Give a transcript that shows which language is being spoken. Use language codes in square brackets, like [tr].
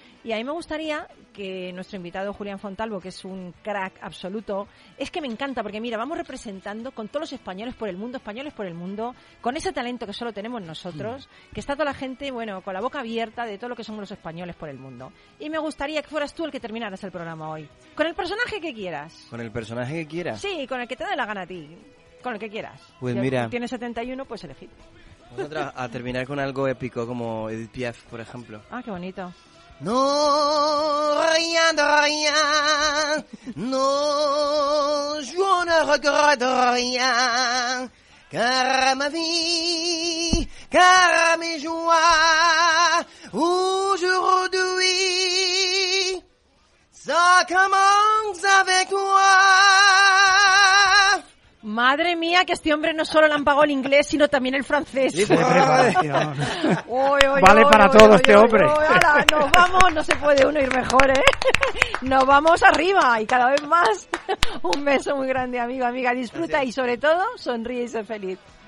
[es] Y a mí me gustaría que nuestro invitado Julián Fontalvo, que es un crack absoluto, es que me encanta, porque mira, vamos representando con todos los españoles por el mundo, con ese talento que solo tenemos nosotros, que está toda la gente, bueno, con la boca abierta de todo lo que somos los españoles por el mundo. Y me gustaría que fueras tú el que terminaras el programa hoy. Con el personaje que quieras. ¿Con el personaje que quieras? Sí, con el que te dé la gana a ti. Con el que quieras. Pues mira. Si tienes 71, pues elegir. Vamos a terminar con algo épico, como Edith Piaf, por ejemplo. Ah, qué bonito. [fr] No, rien de rien, no, je ne regrette rien, car ma vie, car mes joies, aujourd'hui, ça commence avec toi. [es] Madre mía, que este hombre no solo le han pagado el inglés, sino también el francés. Vale para todo este hombre. Nos vamos, no se puede uno ir mejor, ¿eh? Nos vamos arriba y cada vez más. Un beso muy grande, amigo, amiga. Disfruta. Gracias. Y sobre todo, sonríe y sé feliz.